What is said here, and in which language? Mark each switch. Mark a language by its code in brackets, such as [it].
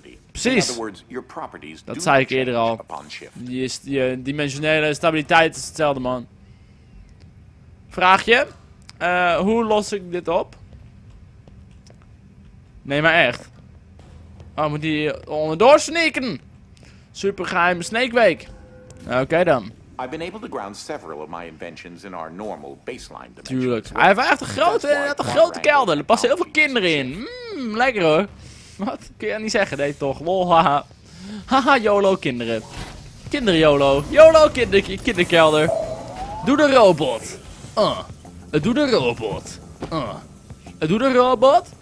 [nl] Precies. Dat zei ik eerder al. Je dimensionele stabiliteit is hetzelfde, man. Vraagje? Hoe los ik dit op? Nee, maar echt. Oh, moet die onderdoor sneaken? Super geheime sneekweek. Oké, dan. [en] I've been able to ground several of my inventions in our normal baseline dimension. [nl] Tuurlijk. Hij heeft echt een grote kelder. Er passen heel veel kinderen in. Lekker hoor. Wat? Kun je niet zeggen? Nee, toch? Lol, haha. Haha, YOLO kinderen. Kinderen YOLO. YOLO kinderkelder. Doe de robot. Doe de robot. Doe de robot.